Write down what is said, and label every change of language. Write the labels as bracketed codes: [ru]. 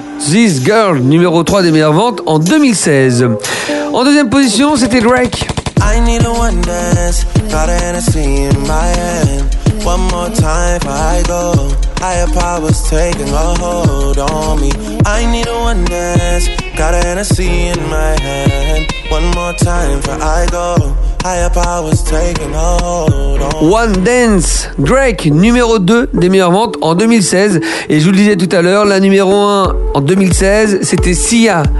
[fr] This Girl, numéro 3 des meilleures ventes en 2016. En deuxième position, c'était Drake. [en] I need a one dance, got a Hennessy in my hand. One more time before I go, higher powers taking a hold on me. I need a one dance, got a Hennessy in my hand. One more time before I go, higher powers taking a hold on me. [fr] One dance, Drake, numéro 2 des meilleures ventes en 2016. Et je vous le disais tout à l'heure, la numéro 1 en 2016, c'était Sia.